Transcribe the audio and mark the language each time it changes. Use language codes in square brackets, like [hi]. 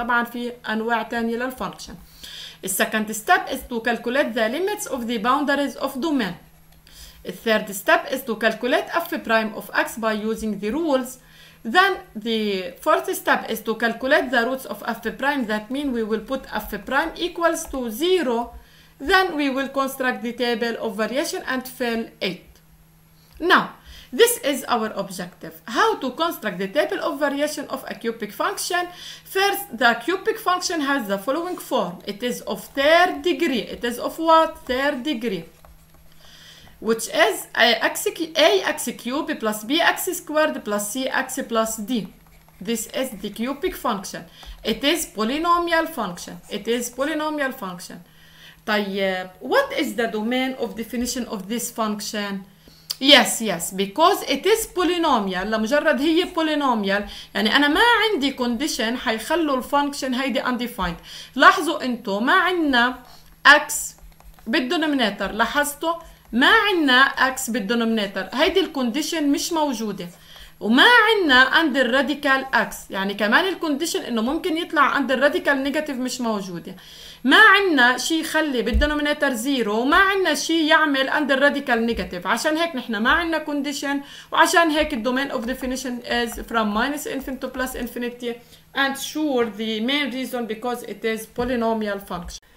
[ar] طبعا في أنواع تانية للfunction. [en] The second step is to calculate the limits of the boundaries of domain. The third step is to calculate f prime of x by using the rules. Then the fourth step is to calculate the roots of f prime. That means we will put f prime equals to 0. Then we will construct the table of variation and fill 8. Now, this is our objective. How to construct the table of variation of a cubic function? First, the cubic function has the following form. It is of third degree. It is of what? Third degree. Which is ax cubed plus bx squared plus cx plus d. This is the cubic function. It is polynomial function. It is polynomial function. طيب, what is the domain of definition of this function? Yes, yes, because it is polynomial. [ar] لمجرد هي [en] polynomial. [ar] يعني أنا ما عندي condition حيخلوا الفانكشن هيدي undefined. لاحظوا أنتو ما عندنا x بالdenominator. لاحظتوا؟ ما عندنا x بالدنومينيتر، هيدي الكونديشن مش موجودة، وما عندنا under radical x، يعني كمان الكونديشن إنه ممكن يطلع under radical negative مش موجودة، ما عندنا شيء يخلي بالدنومينيتر 0، وما عندنا شيء يعمل under radical negative، عشان هيك نحن ما عندنا كونديشن، وعشان هيك الدومين [en] of definition is from minus infinity to plus infinity، and sure the main reason because it is polynomial function.